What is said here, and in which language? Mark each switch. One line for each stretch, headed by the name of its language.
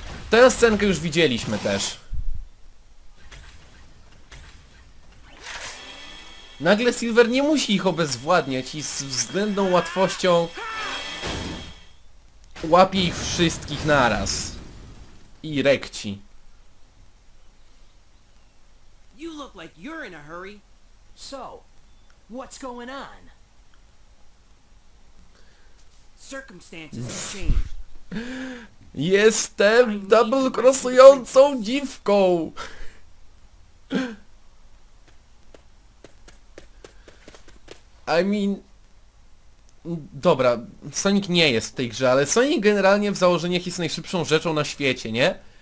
Polish: Tę scenkę już widzieliśmy też. Nagle Silver nie musi ich obezwładniać i z względną łatwością łapie ich wszystkich naraz. I rekci.
English: You look like you're in a hurry. So, what's going on? Circumstances have changed.
Polish: Jestem double crossującą dziwką.
English: I mean...
Polish: dobra, Sonic nie jest w tej grze, ale Sonic generalnie w założeniach jest najszybszą rzeczą na świecie, nie?